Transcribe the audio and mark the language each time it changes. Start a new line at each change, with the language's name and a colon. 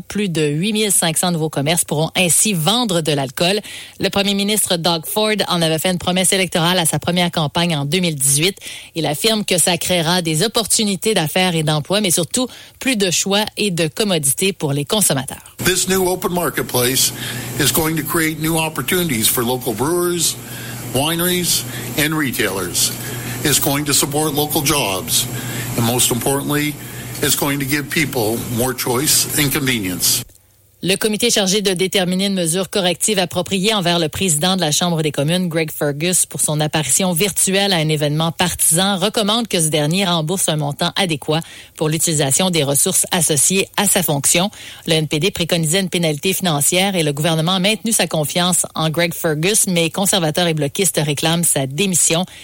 French: Plus de 8500 nouveaux commerces pourront ainsi vendre de l'alcool. Le premier ministre Doug Ford en avait fait une promesse électorale à sa première campagne en 2018. Il affirme que ça créera des opportunités d'affaires et d'emplois, mais surtout plus de choix et de commodité pour les consommateurs.
English: This new open marketplace is going to create new opportunities for local brewers, wineries, and retailers. It's going to support local jobs, and most importantly, it's going to give people more choice and convenience.
French: Le comité chargé de déterminer une mesure corrective appropriée envers le président de la Chambre des communes, Greg Fergus, pour son apparition virtuelle à un événement partisan, recommande que ce dernier rembourse un montant adéquat pour l'utilisation des ressources associées à sa fonction. Le NPD préconisait une pénalité financière et le gouvernement a maintenu sa confiance en Greg Fergus, mais conservateurs et bloquistes réclament sa démission.